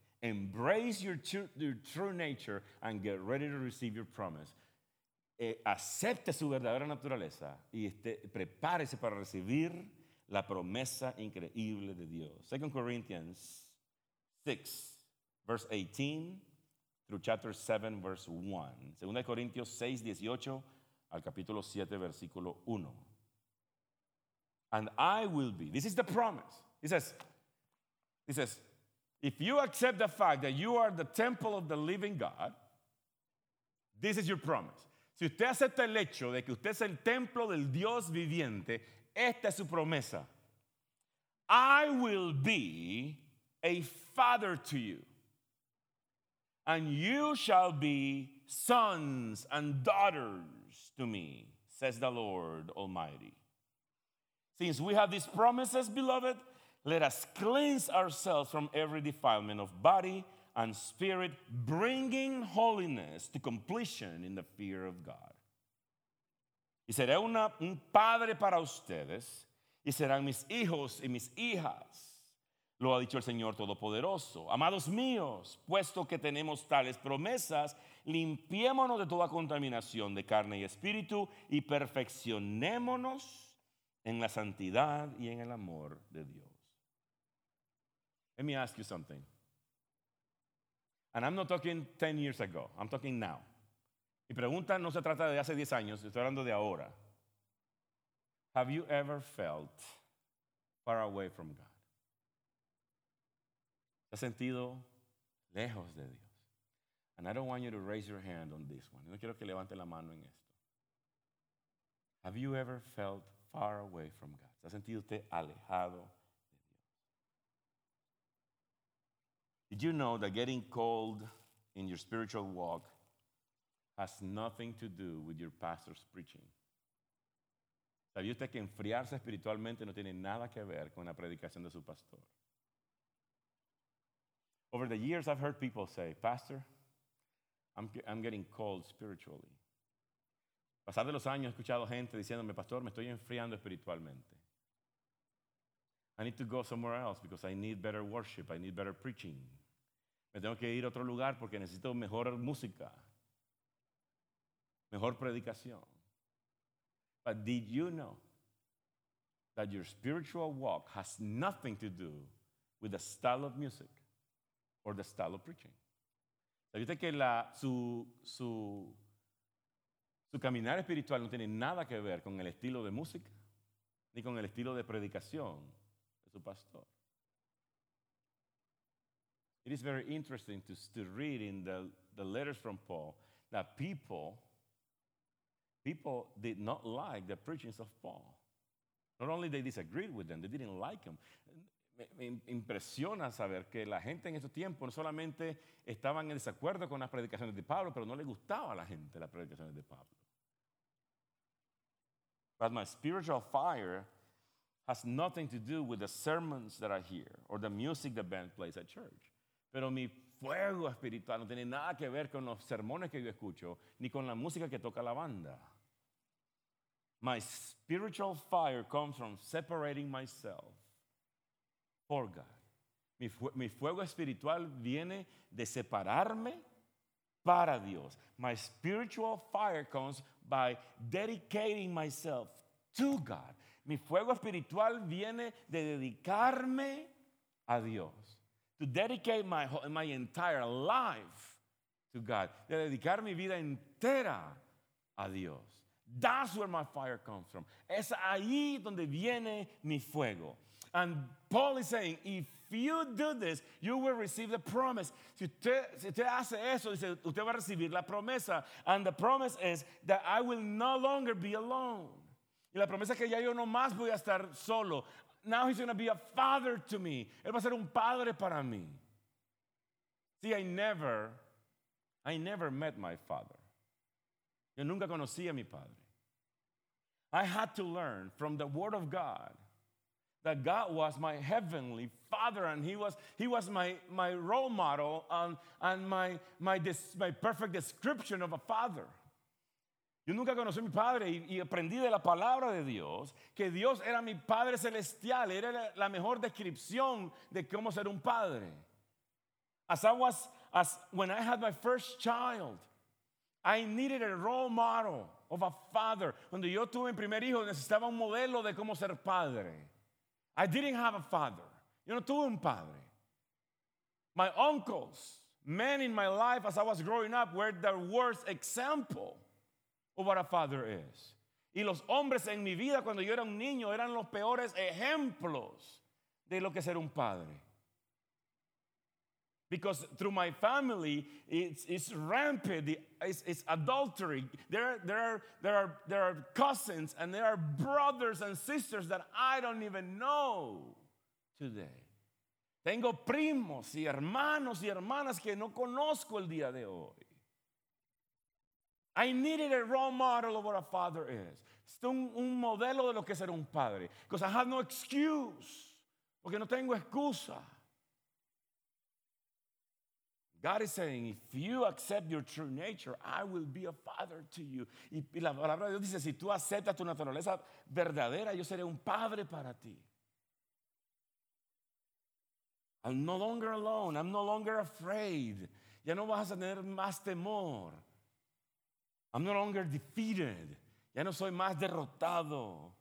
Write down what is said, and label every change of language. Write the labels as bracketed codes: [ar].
[en] Embrace your true nature and get ready to receive your promise. [es] Acepte su verdadera naturaleza y prepárese para recibir la promesa increíble de Dios. [en] 2 Corinthians 6, verse 18 through chapter 7, verse 1. [es] Segunda de Corintios 6, 18 al capítulo 7, versículo 1. [en] And I will be, this is the promise. He says, if you accept the fact that you are the temple of the living God, this is your promise. [es] Si usted acepta el hecho de que usted es el templo del Dios viviente, esta es su promesa. [en] I will be a father to you, and you shall be sons and daughters to me, says the Lord Almighty. Since we have these promises, beloved, let us cleanse ourselves from every defilement of body and spirit, bringing holiness to completion in the fear of God. [es] Y seré un padre para ustedes, y serán mis hijos y mis hijas. Lo ha dicho el Señor Todopoderoso. Amados míos, puesto que tenemos tales promesas, limpiémonos de toda contaminación de carne y espíritu y perfeccionémonos en la santidad y en el amor de Dios. [en] Let me ask you something. And I'm not talking 10 years ago. I'm talking now. [es] Mi pregunta no se trata de hace 10 años. Estoy hablando de ahora. [en] Have you ever felt far away from God? [es] Has sentido lejos de Dios. [en] And I don't want you to raise your hand on this one. [es] No quiero que levante la mano en esto. [en] Have you ever felt far away from God? [es] ¿Se ha sentido usted alejado de Dios? [en] Did you know that getting cold in your spiritual walk has nothing to do with your pastor's preaching? [es] ¿Sabía usted que enfriarse espiritualmente no tiene nada que ver con la predicación de su pastor? [en] Over the years, I've heard people say, Pastor, I'm getting cold spiritually. [es] pasar de los años, he escuchado gente diciéndome, pastor, me estoy enfriando espiritualmente. [en] I need to go somewhere else because I need better worship, I need better preaching. [es] Me tengo que ir a otro lugar porque necesito mejor música, mejor predicación. [en] But did you know that your spiritual walk has nothing to do with the style of music or the style of preaching? [es] ¿Sabía usted que su caminar espiritual no tiene nada que ver con el estilo de música ni con el estilo de predicación de su pastor? [en] It is very interesting to read in the letters from Paul that people did not like the preachings of Paul. Not only they disagreed with them, they didn't like them. [es] Me impresiona saber que la gente en esos tiempos no solamente estaban en desacuerdo con las predicaciones de Pablo, pero no le gustaba a la gente las predicaciones de Pablo. [en] But my spiritual fire has nothing to do with the sermons that I hear or the music the band plays at church. [es] Pero mi fuego espiritual no tiene nada que ver con los sermones que yo escucho ni con la música que toca la banda. [en] My spiritual fire comes from separating myself for God. [es] Mi fuego espiritual viene de separarme para Dios. [en] My spiritual fire comes by dedicating myself to God. [es] Mi fuego espiritual viene de dedicarme a Dios. [en] To dedicate my entire life to God. [es] De dedicar mi vida entera a Dios. [en] That's where my fire comes from. [es] Es ahí donde viene mi fuego. [en] And Paul is saying, if you do this, you will receive the promise. [es] Si usted hace eso, dice, usted va a recibir la promesa. [en] And the promise is that I will no longer be alone. [es] Y la promesa es que ya yo no más voy a estar solo. [en] Now he's going to be a father to me. [es] Él va a ser un padre para mí. [en] See, I never met my father. [es] Yo nunca conocí a mi padre. [en] I had to learn from the word of God that God was my heavenly father and he was my role model and my perfect description of a father. [es] Yo nunca conocí a mi padre y aprendí de la palabra de Dios que Dios era mi padre celestial. Era la mejor descripción de cómo ser un padre. [en] When I had my first child, I needed a role model of a father. [es] Cuando yo tuve mi primer hijo, necesitaba un modelo de cómo ser padre. [en] I didn't have a father. [es] Yo no tuve un padre. [en] My uncles, men in my life as I was growing up, were the worst example of what a father is. [es] Y los hombres en mi vida cuando yo era un niño eran los peores ejemplos de lo que ser un padre. [en] Because through my family, it's rampant. It's adultery. There are cousins and there are brothers and sisters that I don't even know today. [es] Tengo primos y hermanos y hermanas que no conozco el día de hoy. [en] I needed a role model of what a father is. [es] Un modelo de lo que ser un padre. [en] Because I have no excuse. [es] Porque no tengo excusa. [en] God is saying, if you accept your true nature, I will be a father to you. [es] Y la palabra de Dios dice, si tú aceptas tu naturaleza verdadera, yo seré un padre para ti. [en] I'm no longer alone. I'm no longer afraid. [es] Ya no vas a tener más temor. [en] I'm no longer defeated. [es] Ya no soy más derrotado.